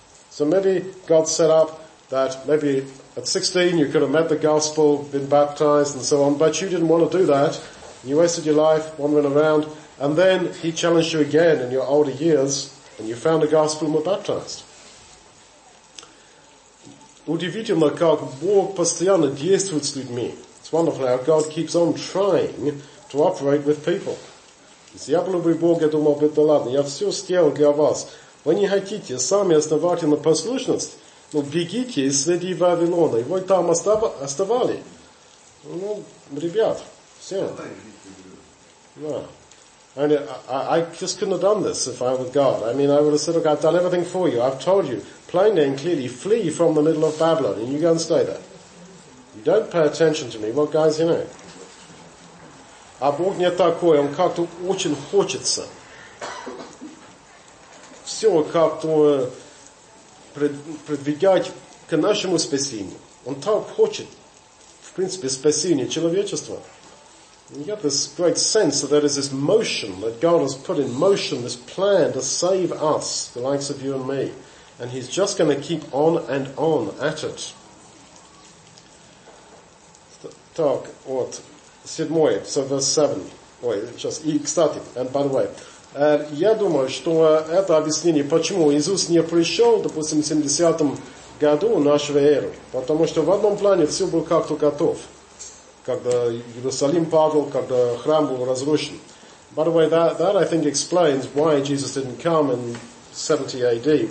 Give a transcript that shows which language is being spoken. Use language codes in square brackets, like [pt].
[en] So maybe God set up that maybe at 16 you could have met the gospel, been baptized and so on, but you didn't want to do that. You wasted your life wandering around, and then he challenged you again in your older years and you found the gospel and were baptized. [ru] Удивительно, как Бог постоянно действует с людьми. [en] It's wonderful how God keeps on trying to operate with people. [ru] Если я был бы Бог, я думал бы, да ладно, я все сделал для вас. Вы не хотите сами оставать на послушность? Ну, бегите из среди Вавилона. И вы там оставали. Ну, ребят, все. [en] And I just couldn't have done this if I were God. I mean, I would have said, look, I've done everything for you. I've told you plainly and clearly, flee from the middle of Babylon, and you go and stay there. You don't pay attention to me. What guys, you know? [ru] А Бог не такой. Он как-то очень хочется. Все как-то продвигать к нашему спасению. Он так хочет, в принципе, спасение человечества. [en] You get this great sense that there is this motion that God has put in motion, this plan to save us, the likes of you and me. And he's just going to keep on and on at it. [ru] Так, вот, седьмое, [en] so verse 7. [ru] Ой, сейчас, и, кстати, [en] and by the way, [ru] я думаю, что это объяснение, почему Иисус не пришел, допустим, в 70-м году нашей эры. Потому что в одном плане все было как-то готов. Когда Иерусалим падал, когда храм был разрушен. [en] By the way, that I think explains why Jesus didn't come in 70 AD.